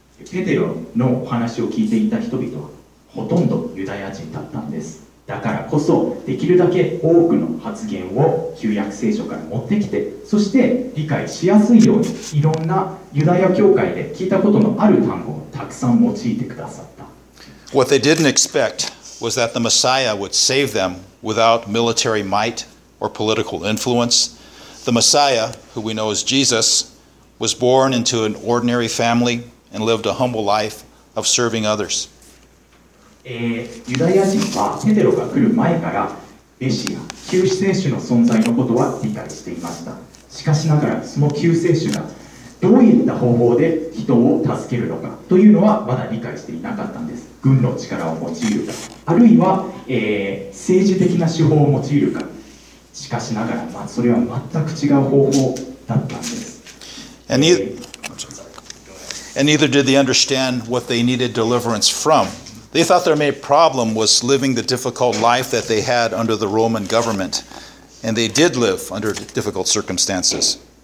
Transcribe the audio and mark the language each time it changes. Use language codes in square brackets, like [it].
[ja] ペテロの話を聞いていた人々はほとんどユダヤ人だったんです。だからこそできるだけ多くの発言を旧約聖書から持ってきて、そして理解しやすいようにいろんなユダヤ教会で聞いたことのある単語をたくさん用いてくださった。 [en] What they didn't expect was that the Messiah would save them without military might or political influence. The Messiah, who we know as Jesus, was born into an ordinary family and lived a humble life of serving others. [ja] ユダヤ人はペテロが来る前からメシア、救世主の存在のことは理解していました。しかしながらその救世主がどういった方法で人を助けるのかというのはまだ理解していなかったんです。軍の力を用いるか、あるいは、政治的な手法を用いるか、しかしながら、まあ、それは全く違う方法だったんです。 [en] And neither did they understand what they needed deliverance from. They thought their main problem was living the difficult life that they had under the Roman government. And they did live under difficult circumstances.